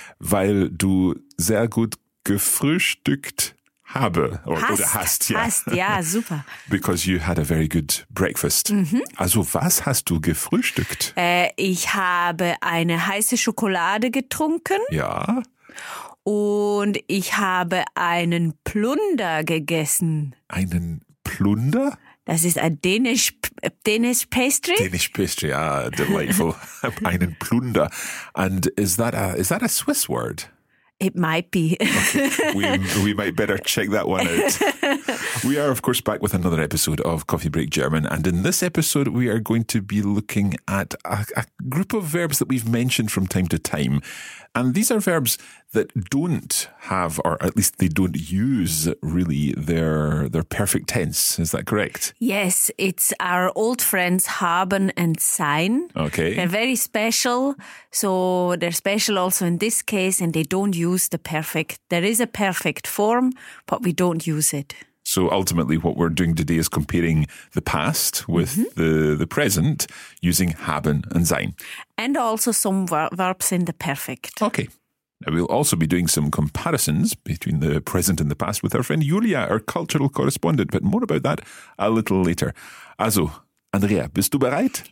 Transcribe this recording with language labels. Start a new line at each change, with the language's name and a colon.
German: Weil du sehr gut gefrühstückt habe. Hast, ja, super.
English: Because you had a very good breakfast. Mm-hmm.
German: Also, was hast du gefrühstückt? Ich habe eine heiße Schokolade getrunken. Ja. Und ich habe einen Plunder gegessen. Einen Plunder? Das ist ein Danish pastry.
English: Danish pastry, ah, delightful. Einen Plunder. And is that a Swiss word? It might be. Okay. We might better check that one out. We are, of course, back with another episode of Coffee Break German. And in this episode, we are going to be looking at a group of verbs that we've mentioned from time to time. And these are verbs that don't have, or at least they don't use, really, their perfect tense. Is that correct? Yes, it's our old friends haben and sein. Okay. They're very special. So they're special also in this case, and they don't use the perfect. There is a perfect form, but we don't use it. So ultimately, what we're doing today is comparing the past with the present using haben and sein. And also some verbs in the perfect. Okay. Now we'll also be doing some comparisons between the present and the past with our friend Julia, our cultural correspondent, but more about that a little later.
German: Also, Andrea, bist du bereit?